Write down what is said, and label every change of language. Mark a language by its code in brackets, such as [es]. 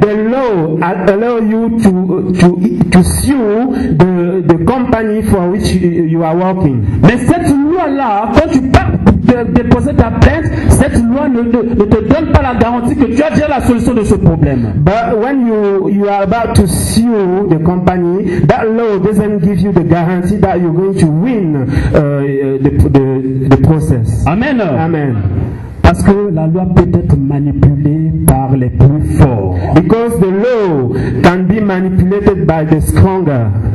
[en] The law allows you to sue the company for which you are working. [fr] Mais cette loi là, quand tu pars déposer ta plainte, cette loi ne te donne pas la garantie que tu as déjà la solution de ce problème. [en] But when you are about to sue the company, that law doesn't give you the guarantee that you're going to win the process. Amen. Amen. [fr] Parce que la loi peut être manipulée par les plus forts. [en] Because the law can be manipulated by the stronger.